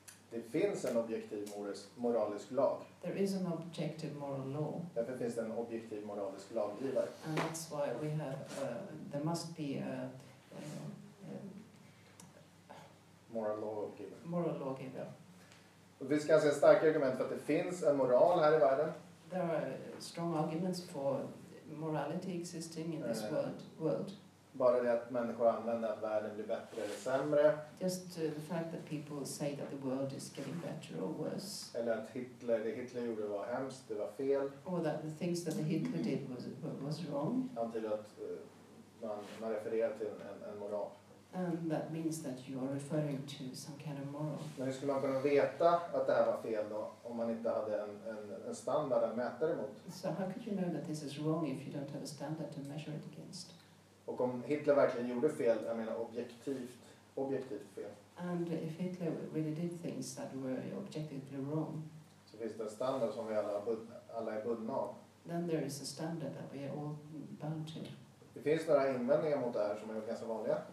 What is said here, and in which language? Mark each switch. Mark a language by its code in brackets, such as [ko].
[sv] Det finns en objektiv moralisk lag. [en] There is an objective moral law. [sv] Därför finns det en objektiv moralisk laggivare. [en] And that's why we have there must be a moral lawgiver. Moral lawgiver. [sv] Och det finns ganska starka argument för att det finns en moral här i världen. [en] There are strong arguments for morality existing in this world. [sv] Bara det att människor använder att världen blir bättre eller sämre. [en] Just the fact that people say that the world is getting better or worse. [sv] Eller att Hitler gjorde var hemskt, det var fel. [en] Or that the things that Hitler did was wrong. [sv] Antingen att man refererar till en moral. [en] that means that you are referring to some kind of moral. [sv] Men hur skulle man kunna veta att det här var fel då om man inte hade en standard att mäta emot? [en] So how could you know that this is wrong if you don't have a standard to measure it against? [sv] Och om Hitler verkligen gjorde fel, jag menar objektivt fel. [en] And if Hitler really did things that were objectively wrong. [sv] Så finns det en standard som vi alla är bundna av. [en] Then there is a standard that we are all bound to. [sv] Det finns några invändningar mot det här som är ganska vanliga.